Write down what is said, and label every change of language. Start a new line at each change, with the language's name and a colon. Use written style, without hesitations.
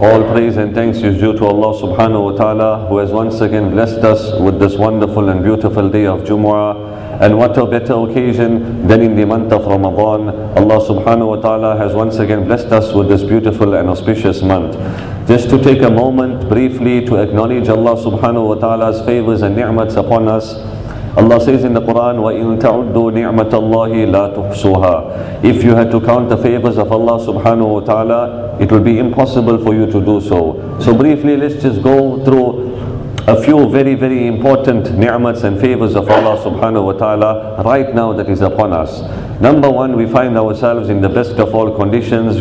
English: All praise and thanks is due to Allah subhanahu wa ta'ala, who has once again blessed us with this wonderful and beautiful day of Jumu'ah. And what a better occasion than in the month of Ramadan. Allah subhanahu wa ta'ala has once again blessed us with this beautiful and auspicious month. Just to take a moment briefly to acknowledge Allah subhanahu wa ta'ala's favors and ni'mats upon us. Allah says in the Quran,
Arabic: وَإِن تَعُدُّوا نِعْمَةَ اللَّهِ لَا تُحْصُوهَا.
English: If you had to count the favors of Allah subhanahu wa ta'ala, it would be impossible for you to do so. So briefly, let's just go through a few very, very important ni'mats and favors of Allah subhanahu wa ta'ala right now that is upon us. Number one, we find ourselves in the best of all conditions.